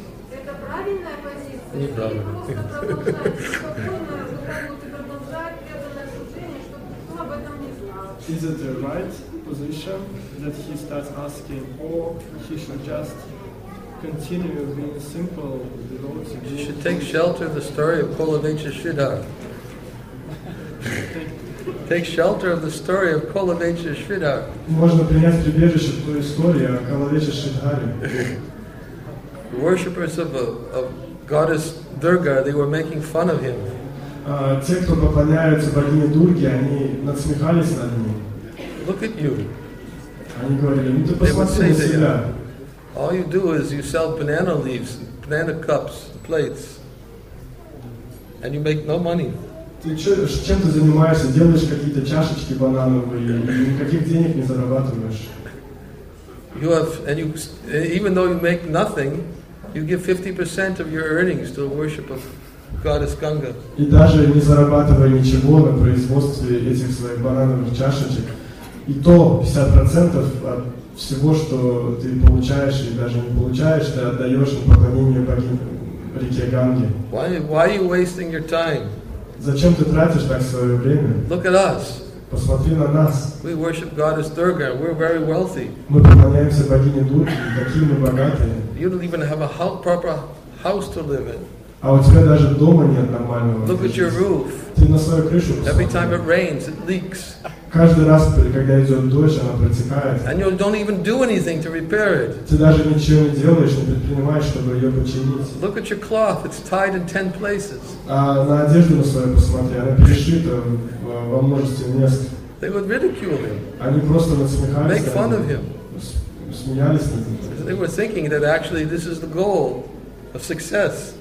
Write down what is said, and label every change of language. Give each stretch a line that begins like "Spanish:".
Russian: Это правильная позиция. Не правильно. Просто потому что спокойно продолжать преданное служение, чтобы никто об этом не знал.
English: Is it the right position that he starts asking, or he should just continue being simple devotee? You should take shelter of the story of Kulavecha Sridhar. Take shelter of the story of Kulavecha Sridhar.
Russian: Можно принять прибежище в той истории о Кулавече Шридхаре.
English: Worshippers of goddess Durga, they were making fun of him.
Russian: Те, кто поклоняются богине Дурге, они надсмехались над ним.
English: Look at you.
Russian: Они говорили: "Ну ты посмотри на себя.
English: All you do is you sell banana leaves, banana cups, plates, and you make no money."
Russian: Ты чем ты занимаешься? Делаешь какие-то чашечки банановые и никаких денег не зарабатываешь.
English: You have, and you, even though you make nothing, you give 50% of your earnings to the worship of goddess Ganga.
Russian: И даже не зарабатывая ничего на производстве этих своих банановых чашечек, и то 50% от всего, что ты получаешь или даже не получаешь, ты отдаешь на поклонение реке Ганге.
English: Why are you wasting your time?
Russian: Зачем ты тратишь так свое время?
English: Look at us.
Russian: Посмотри на нас.
English: We worship goddess Durga. We're very wealthy.
Russian: Мы поклоняемся богине Дурге. Какие мы богатые.
English: You don't even have a proper house to live in.
Russian: А у тебя даже дома нет нормального.
English: Look at your roof.
Russian: Ты на свою крышу посмотри.
English: Every time it rains, it leaks.
Russian: Каждый раз, когда идет дождь, она протекает.
English: And you don't even do anything to repair it.
Russian: Ты даже ничего не делаешь, не предпринимаешь, чтобы ее починить.
English: Look at your cloth, it's tied in 10 places.
Russian: А на одежду на свою посмотри, она перешита во множестве мест.
English: They would ridicule him.
Russian: Они просто насмехались.
English: Make fun of him.
Russian: Смеялись над ним.
English: They were thinking that actually this is the goal of success.